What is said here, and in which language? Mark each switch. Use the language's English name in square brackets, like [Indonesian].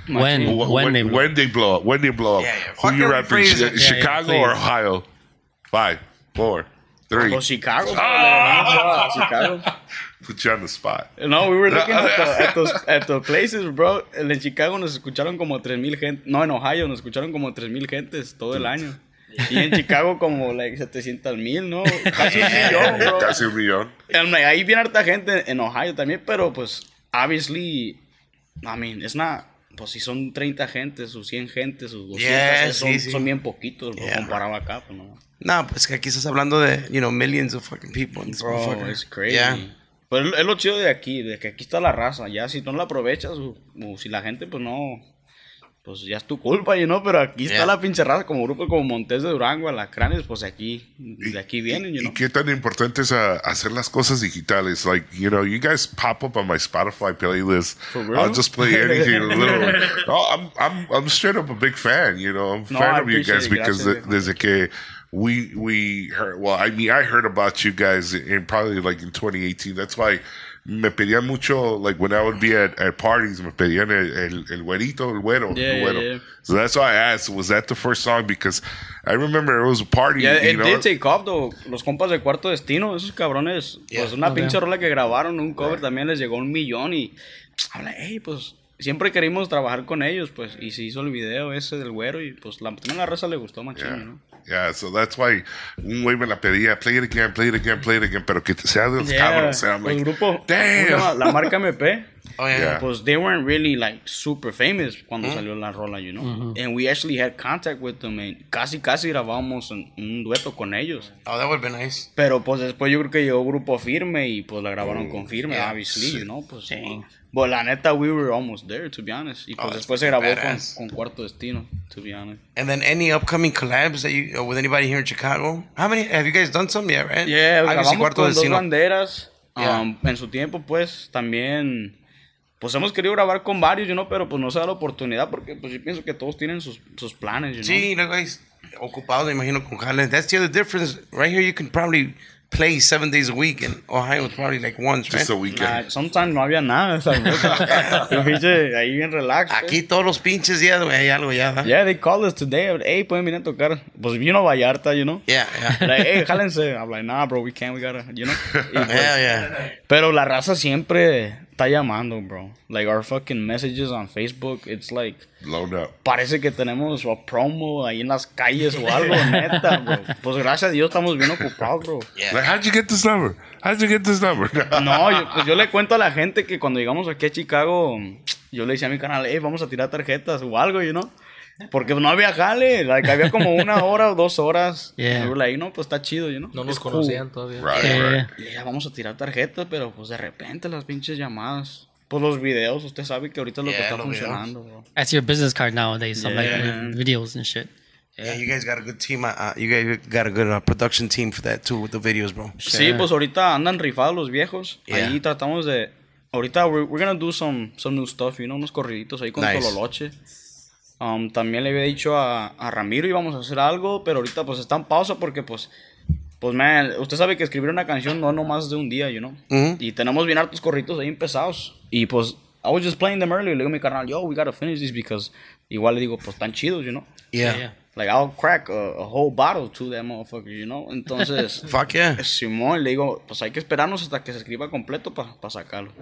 [English] When they blow up. Yeah, yeah. Who you rapping? Chicago or Ohio? 5, 4, 3. Oh, Chicago. Chicago. Put you on the spot. No, we were looking at the places, bro. [Spanish] En Chicago nos escucharon como 3,000 gente. No, en Ohio nos escucharon como 3,000 gentes todo el año. Y en Chicago como, like, 700,000, ¿no? Casi un millón, bro. [English] And, [Spanish] like, ahí viene harta gente en Ohio también, pero, pues, [English] obviously, I mean, it's not... [Spanish] Pues si son 30 gentes, o 100 gentes, o 200, son bien poquitos, bro, comparado acá, pues, ¿no? No, pues que aquí estás hablando de, [English] you know, millions of fucking people. And bro, it's crazy. Yeah. [Spanish] Pero es lo chido de aquí, de que aquí está la raza. Ya, si tú no la aprovechas, o si la gente, pues, no... Pues ya es tu culpa, [English] you know, [Spanish] pero aquí está la pinche raza como grupo, como Montes de Durango, Alacranes, pues de aquí vienen, you know. ¿Y qué tan importante es hacer las cosas digitales? [English] Like, you know, you guys pop up on my Spotify playlist. For real? I'll just play anything a little. I'm straight up a big fan, you know. I'm a fan of you guys because [Spanish] desde que [English] we heard, well, I mean, I heard about you guys in probably like in 2018. That's why [Spanish] me pedían mucho, [English] like when I would be at parties, [Spanish] me pedían el güero. [English] Yeah. So that's why I asked, was that the first song? Because I remember it was a party. Yeah, you know? It did take off, though. [Spanish] Los compas de Cuarto Destino, esos cabrones, pues una pinche rola que grabaron, un cover también les llegó 1,000,000. Y habla, hey, pues siempre queríamos trabajar con ellos, pues, y se hizo el video ese del güero, y pues la raza le gustó, machín, ¿no? [English] Yeah, so that's why [Spanish] un güey me la pedía, [English] play it again, [Spanish] pero que sea de los cabros. [English] I'm like, [Spanish] el grupo, [English] damn. [Spanish] La marca MP, [English] yeah. Pues they weren't really like super famous [Spanish] cuando salió la rola, [English] you know. Mm-hmm. And we actually had contact with them, and [Spanish] casi grabamos un dueto con ellos. [English] Oh, that would have been nice. [Spanish] Pero pues después yo creo que llegó Grupo Firme y pues la grabaron con Firme, [English] obviously, you know. [Spanish] Pues, bueno, la neta, [English] we were almost there, to be honest. [Spanish] Y pues después se grabó con Cuarto Destino, [English] to be honest. And then any upcoming collabs that you with anybody here in Chicago? How many have you guys done some yet, right? [Spanish] Yeah, grabamos Cuarto Destino. Dos Banderas. En su tiempo, pues también, pues hemos querido grabar con varios, [English] you know, [Spanish] pero pues no se da la oportunidad porque pues yo pienso que todos tienen sus planes, you know. Sí, no, guys, ocupados, me imagino, con Jalen. [English] That's the other difference. Right here, you can probably play 7 days a week in Ohio, probably like once, just right? Just a weekend. [Spanish] Nah, sometimes no había nada. Y pinche, ahí bien relax. Aquí todos los pinches días, güey, hay algo ya, ¿verdad? [English] Yeah, they call us today. Hey, [Spanish] pueden venir a tocar. Pues vino Vallarta, [English] you know? Yeah, yeah. Like, hey, [Spanish] jálense. [English] I'm like, nah, bro, we can't, we gotta, you know? Yeah, pues, yeah. [Spanish] Pero la raza siempre está llamando, bro. [English] Like, our fucking messages on Facebook, it's like... Blown up. [Spanish] Parece que tenemos a promo ahí en las calles o algo, neta, bro. Pues gracias a Dios estamos bien ocupados, bro. [English] Yeah. Like, how'd you get this number? [Spanish] No, yo le cuento a la gente que cuando llegamos aquí a Chicago, yo le decía a mi canal, hey, vamos a tirar tarjetas o algo, [English] you know? [Spanish] Porque no había jale, like, había como una hora o dos horas. [English] Yeah. [Spanish] Y yo, like, no, pues está chido, [English] you know? [Spanish] No nos conocían todavía. [English] Right, [Spanish] Y ya vamos a tirar tarjetas, pero pues de repente las pinches llamadas. Pues los videos, usted sabe que ahorita es lo que está funcionando, bro. [English] That's your business card nowadays, like videos and shit. Yeah, you guys got a good team. You guys got a good production team for that too, with the videos, bro. [Spanish] Sure. Sí, pues ahorita andan rifados los viejos. [English] Yeah. [Spanish] Ahí tratamos de... Ahorita [English] we're gonna do some new stuff, you know? [Spanish] Unos corriditos ahí con Tololoche. También le había dicho a Ramiro íbamos a hacer algo, pero ahorita pues está en pausa porque pues man, usted sabe que escribir una canción no más de un día, [English] you know. Uh-huh. [Spanish] Y tenemos bien hartos corritos ahí empezados. Y pues [English] I was just playing them earlier. [Spanish] Le digo a mi carnal, yo, [English] we gotta finish this because [Spanish] igual le digo, pues están chidos, [English] you know. Yeah. Like I'll crack a whole bottle to that motherfucker, you know. [Spanish] Entonces. [English] Fuck yeah. [Spanish] Simón, le digo, pues hay que esperarnos hasta que se escriba completo para sacarlo.